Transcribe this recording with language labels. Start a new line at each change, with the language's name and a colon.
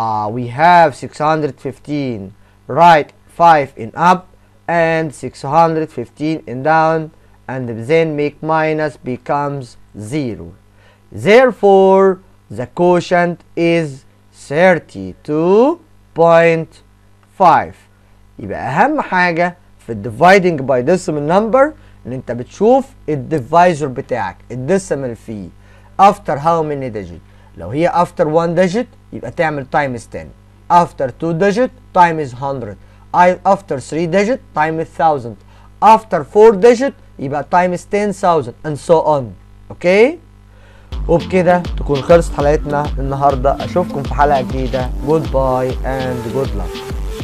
English: We have 615. Write 5 in up and 615 in down and then make minus becomes 0. Therefore, the quotient is 32.5.
Arabic: يبقى أهم حاجة في
English: dividing by decimal number
Arabic: إن أنت بتشوف الديفايزر بتاعك الديسيمال فيه
English: after how many digit.
Arabic: لو هي after 1 digit يبقى تعمل times 10.
English: After 2 digit times 100. After 3 digit times 1000. After 4 digit يبقى times 10,000 and so on.
Arabic: Okay؟ وبكده تكون خلصت حلقتنا النهاردة. أشوفكم في حلقة جديدة.
English: Goodbye and good luck.